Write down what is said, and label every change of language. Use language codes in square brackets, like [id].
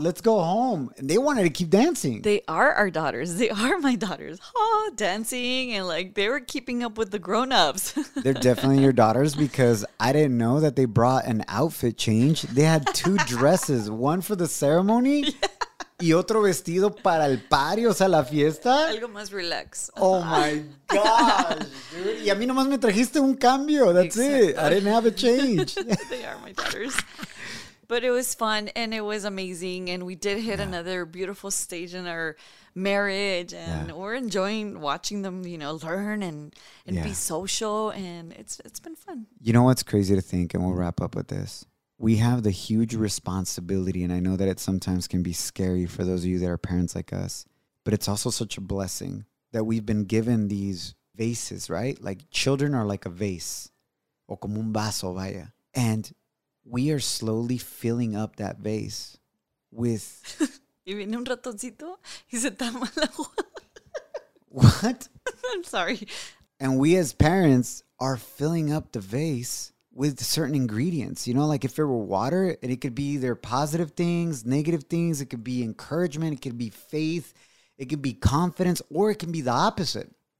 [en] Let's go home. And they wanted to keep dancing. They are our daughters. They are my daughters. Oh, dancing. And like, they were keeping up with the grown-ups. They're definitely your daughters, because I didn't know that they brought an outfit change. They had two dresses, one for the ceremony. Yeah. [es] Y otro vestido para el party, o sea, la fiesta. Algo más relax. [en] Oh, my gosh. [es] Y a mí nomás me trajiste un cambio. [en] That's exactly. It. I didn't have a change. They are my daughters. But it was fun and it was amazing. And we did hit another beautiful stage in our marriage. And we're enjoying watching them, you know, learn and be social. And it's been fun. You know what's crazy to think? And we'll wrap up with this. We have the huge responsibility. And I know that it sometimes can be scary for those of you that are parents like us. But it's also such a blessing that we've been given these vases, right? Like, children are like a vase. [es] O como un vaso, vaya. [en] And we are slowly filling up that vase with... [es] Y viene un ratoncito y se tapa el agua. [en] What? I'm sorry. And we as parents are filling up the vase with certain ingredients. You know, like if it were water, it could be either positive things, negative things. It could be encouragement. It could be faith. It could be confidence, or it can be the opposite.